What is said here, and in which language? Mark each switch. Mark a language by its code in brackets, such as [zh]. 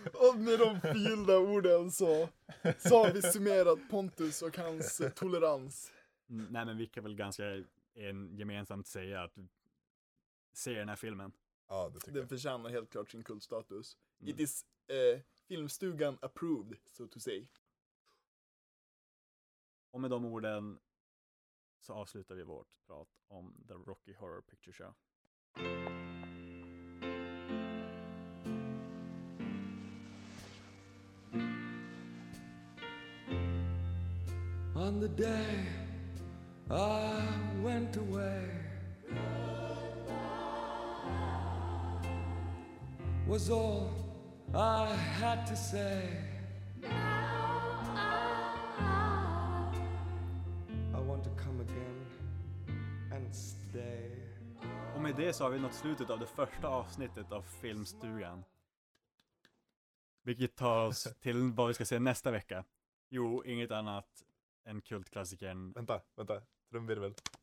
[sv] Och med de fyllda orden så har vi summerat Pontus och hans tolerans. Nej, men vi kan väl ganska gemensamt säga att se den här filmen. Ja, det tycker den jag. Förtjänar helt klart sin kultstatus. Mm. [en] It is filmstugan approved, so to say. [sv] Och med de orden så avslutar vi vårt prat om The Rocky Horror Picture Show. [en] On the day I went away, goodbye, was all I had to say. Now I want to come again and stay. [sv] Och med det så har vi nått slutet av det första avsnittet av Filmstugan. Vilket tar oss till vad vi ska se nästa vecka. Jo, inget annat. En kultklassiker. Vänta. Trumvirvel.